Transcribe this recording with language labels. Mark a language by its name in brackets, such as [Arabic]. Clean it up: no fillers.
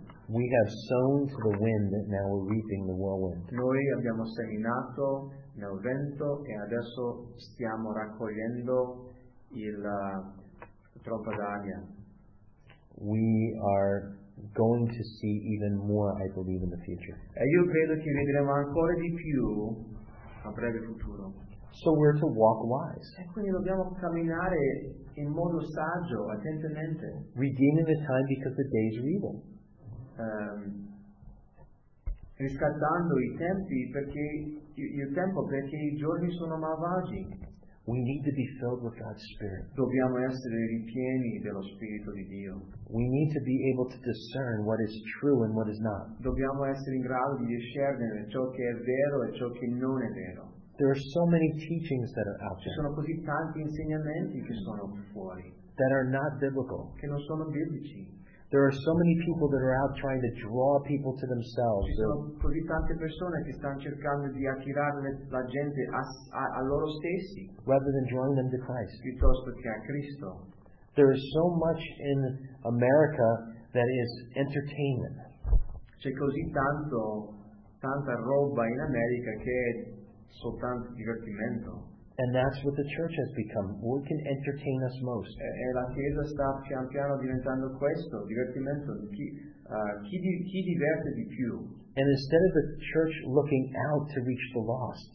[English] We have sown to the wind, that now we're reaping the whirlwind. [Italian] Noi abbiamo seminato nel vento e adesso stiamo raccogliendo la trompa d'aria. [English] We are going to see even more, I believe, in the future. [Italian] E io credo che vedremo ancora di più a breve futuro. [English] So we're to walk wise. [Italian] E quindi dobbiamo camminare in modo saggio, attentamente. [English] Redeeming the time because the days are evil. [Italian] Riscattando i tempi perché il tempo perché i giorni sono malvagi. [English] We need to be filled with God's Spirit. [Italian] Dobbiamo essere ripieni dello Spirito di Dio. [English] We need to be able to discern what is true and what is not. [Italian] Dobbiamo essere in grado di discernere ciò che è vero e ciò che non è vero. [English] There are so many teachings that are out there. [Italian] Ci sono così tanti insegnamenti che sono fuori. [English] That are not biblical. [Italian] Che non sono biblici. [English] There are so many people that are out trying to draw people to themselves. [Italian] Ci sono così tante persone che stanno cercando di attirare la gente a loro stessi. [English] Rather than drawing them to Christ. [Italian] Piuttosto che a Cristo. [English] There is so much in America that is entertainment. [Italian] C'è così tanta roba in America che è soltanto divertimento. [English] And that's what the church has become. What can entertain us most? [Italian] E la chiesa sta pian piano diventando questo, divertimento. Chi diverte di più? [English] And instead of the church looking out to reach the lost,